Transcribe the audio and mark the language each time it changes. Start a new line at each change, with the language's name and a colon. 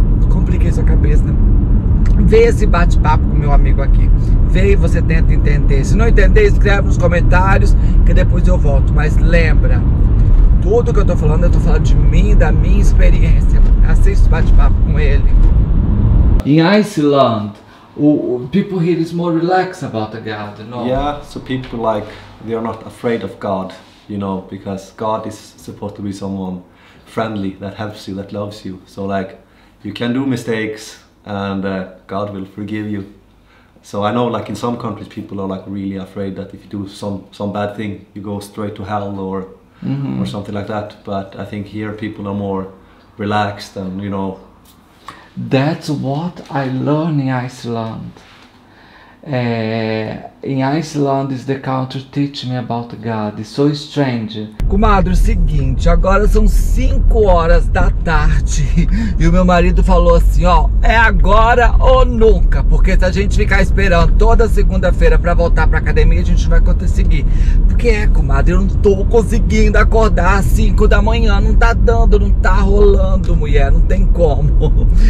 Portuguese: Compliquei sua cabeça, né? Vê esse bate-papo com meu amigo aqui, vê e você tenta entender. Se não entender, escreve nos comentários que depois eu volto. Mas lembra, tudo que eu tô falando de mim, da minha experiência. Assista o bate-papo com ele.
English: In Iceland, people here is more relaxed about the God, no? Yeah, so people like, they are not afraid of God, you know, because God is supposed to be someone friendly, that helps you, that loves you. So like, you can do mistakes and God will forgive you. So I know like in some countries people are like really afraid that if you do some bad thing, you go straight to hell or mm-hmm. or something like that. But I think here people are more relaxed and, you know, that's what I learned in Iceland. In Iceland is the country teach me about God. It's so strange.
Portuguese: Comadre, seguinte, agora são 5 horas da tarde e o meu marido falou assim, ó, é agora ou nunca, porque se a gente ficar esperando toda segunda-feira pra voltar pra academia, a gente não vai conseguir. Porque é, comadre, eu não tô conseguindo acordar às 5 da manhã, não tá dando, não tá rolando, mulher, não tem como.